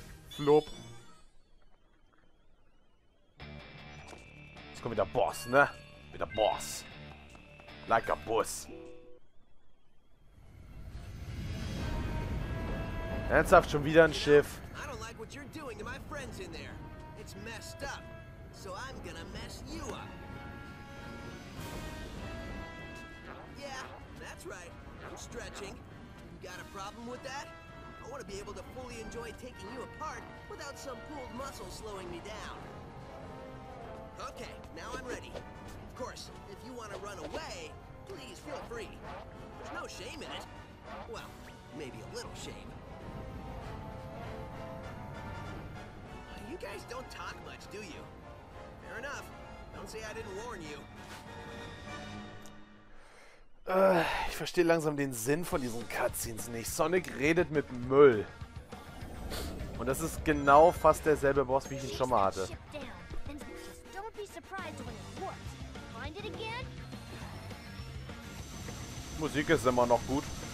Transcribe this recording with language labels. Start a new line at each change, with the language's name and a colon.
German: Flop. Jetzt kommt wieder Boss, ne? Wieder Boss.
English: Like a Bus.
German: Ernsthaft, schon wieder ein Schiff.
English: I don't like what you're doing to my friends in there. It's messed up. So I'm gonna mess you up. Yeah, that's right. I'm stretching. You got a problem with that? I want to be able to fully enjoy taking you apart without some pulled muscle slowing me down. Okay, now I'm ready. Of course, if you want to run away, please feel free. There's no shame in it. Well, maybe a little shame. You guys don't talk much, do you? Fair enough. Don't say I didn't warn you.
German: Ich verstehe langsam den Sinn von diesen Cutscenes nicht. Sonic redet mit Müll. Und das ist genau fast derselbe Boss, wie ich ihn schon mal hatte. Die Musik ist immer noch gut.